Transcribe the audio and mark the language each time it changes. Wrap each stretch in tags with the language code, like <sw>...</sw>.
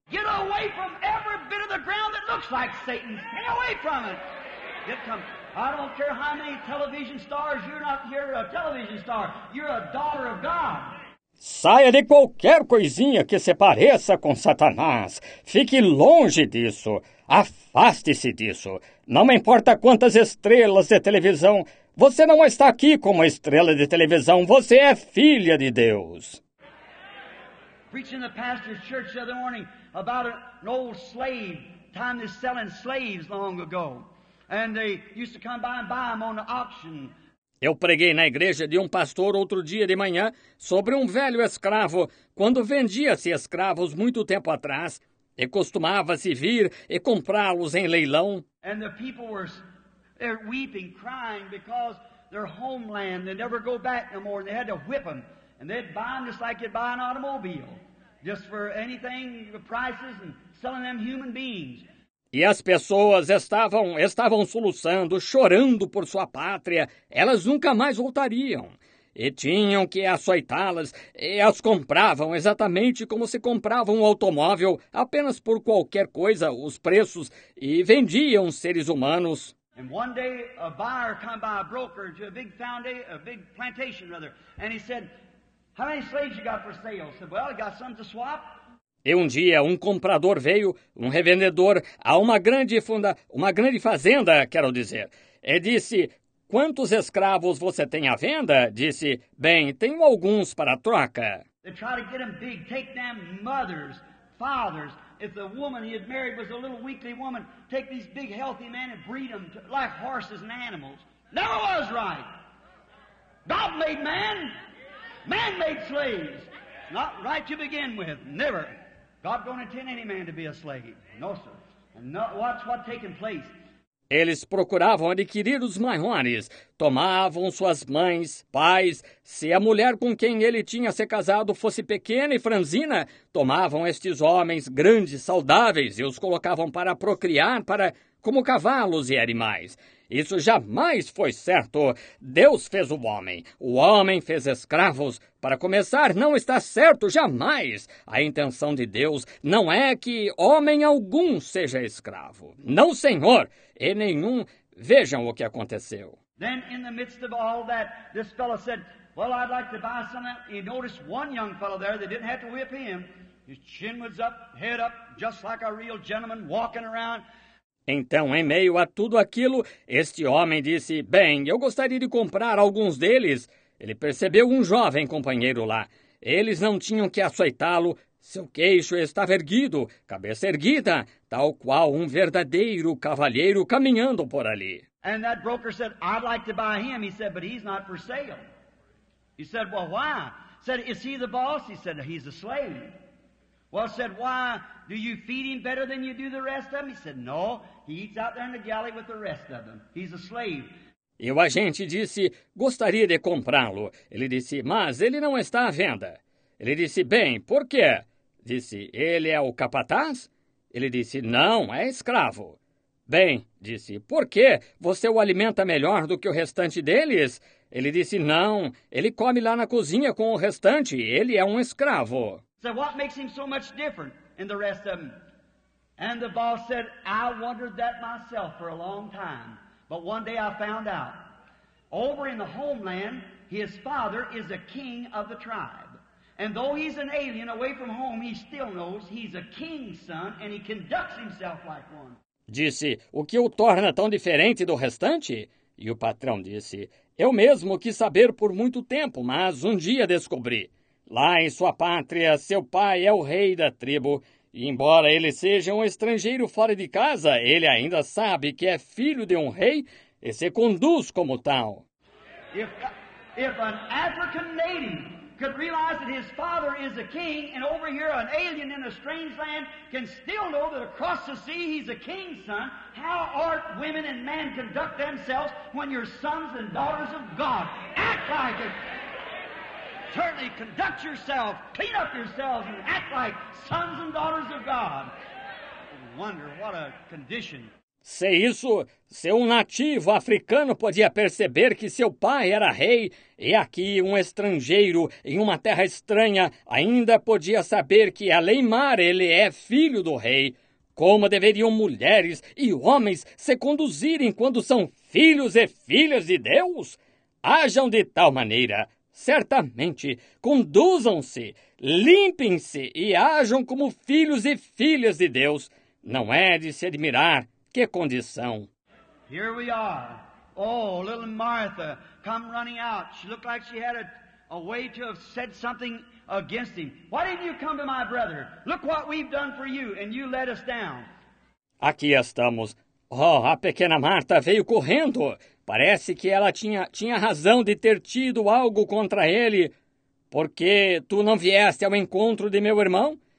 <en>Get away from every bit of the ground that looks like Satan. Get away from it. Get come. I don't care how many television stars, you're not here a television star. You're a daughter of God.</en> <pt>Saia de qualquer coisinha que se pareça com Satanás. Fique longe disso. Afaste-se disso. Não importa quantas estrelas de televisão. Você não está aqui como estrela de televisão. Você é filha de Deus.</pt> <en>preaching in the pastor's church the other morning about an old slave, time they're selling slaves long ago. And they used to come by and buy them on the auction.</en> <pt>Eu preguei na igreja de um pastor outro dia de manhã sobre um velho escravo, quando vendia-se escravos muito tempo atrás, e costumava-se vir e comprá-los em leilão.</pt> <en>And the people were weeping, crying, because their homeland, they never go back no more, and they had to whip them. And they'd buy them just like you'd buy an automobile, just for anything, the prices, and selling them human beings.</en> <pt>E as pessoas estavam soluçando, chorando por sua pátria. Elas nunca mais voltariam. E tinham que açoitá-las e as compravam exatamente como se comprava um automóvel, apenas por qualquer coisa, os preços, e vendiam seres humanos. E um dia, um</pt> <en>buyer came by a broker to a big foundation, a big plantation, rather, and he said, "How many slaves you got for sale?" I said, "Well, I got some to swap."</en> <pt>E um dia um comprador veio, um revendedor, a uma grande fazenda, quero dizer. E disse, "Quantos escravos você tem à venda?" Disse, "Bem, tenho alguns para troca."</pt> <en>They try to get them big, take them mothers, fathers. If the woman he had married was a little weakly woman, take these big healthy men and breed them like horses and animals. Never was right. God made man. Man made slaves. Not right to begin with. Never. God don't intend any man to be a slave. No, sir. And no, watch what taking place.</en> <pt>Eles procuravam adquirir os maiores. Tomavam suas mães, pais. Se a mulher com quem ele tinha se casado fosse pequena e franzina, tomavam estes homens grandes, saudáveis, e os colocavam para procriar, para como cavalos e animais. Isso jamais foi certo. Deus fez o homem. O homem fez escravos. Para começar, não está certo jamais. A intenção de Deus não é que homem algum seja escravo. Não, senhor. E nenhum. Vejam o que aconteceu.</pt> <en>Then in the midst of all that, this fellow said, "Well, I'd like to buy some." He noticed one young fellow there. They didn't have to whip him. His chin was up, head up, just like a real gentleman walking around.</en> <pt>Então, em meio a tudo aquilo, este homem disse, "Bem, eu gostaria de comprar alguns deles." Ele percebeu um jovem companheiro lá. Eles não tinham que açoitá-lo. Seu queixo estava erguido, cabeça erguida, tal qual um verdadeiro cavalheiro caminhando por ali.</pt> <en>And that broker said, "I'd like to buy him." He said, "But he's not for sale." He said, "Well, why?" Said, "Is he the boss?" He said, "He's a slave." Well, said, "Why? Do you feed him better than you do the rest of them?" He said, "No, he eats out there in the galley with the rest of them. He's a slave."</en> <pt>E o agente disse, "Gostaria de comprá-lo." Ele disse, "Mas ele não está à venda." Ele disse, "Bem, por quê?" Disse, "Ele é o capataz?" Ele disse, "Não, é escravo." "Bem," disse, "por quê? Você o alimenta melhor do que o restante deles?" Ele disse, "Não, ele come lá na cozinha com o restante. Ele é um escravo."</pt> <en>So what makes him so much different in the rest of them? And the boss said, "I wondered that myself for a long time, but one day I found out. Over in the homeland, his father is a king of the tribe. And though he's an alien away from home, he still knows he's a king's son and he conducts himself like one."</en> <pt>Disse, "O que o torna tão diferente do restante?" E o patrão disse, "Eu mesmo quis saber por muito tempo, mas um dia descobri. Lá em sua pátria, seu pai é o rei da tribo. E embora ele seja um estrangeiro fora de casa, ele ainda sabe que é filho de um rei e se conduz como tal."</pt> <en>If an African native could realize that his father is a king, and over here an alien in a strange land can still know that across the sea he's a king's son, how ought women and men conduct themselves when your sons and daughters of God act like it? Certainly conduct yourself, clean up yourselves, and act like sons and daughters of God. Wonder what a condition.</en> <pt>Se isso, se um nativo africano podia perceber que seu pai era rei, e aqui um estrangeiro em uma terra estranha ainda podia saber que além mar ele é filho do rei, como deveriam mulheres e homens se conduzirem quando são filhos e filhas de Deus? Ajam de tal maneira. Certamente, conduzam-se, limpem-se e ajam como filhos e filhas de Deus. Não é de se admirar. Que condição!</pt> <en>Here we are. Oh, little Martha, come running out. She looked like she had a a way to have said something against him. Why didn't you come to my brother? Look what we've done for you, and you let us down.</en> <pt>Aqui estamos. Oh, a pequena Marta veio correndo. Parece que ela tinha razão de ter tido algo contra ele. Por que tu não vieste ao encontro de meu irmão?</pt>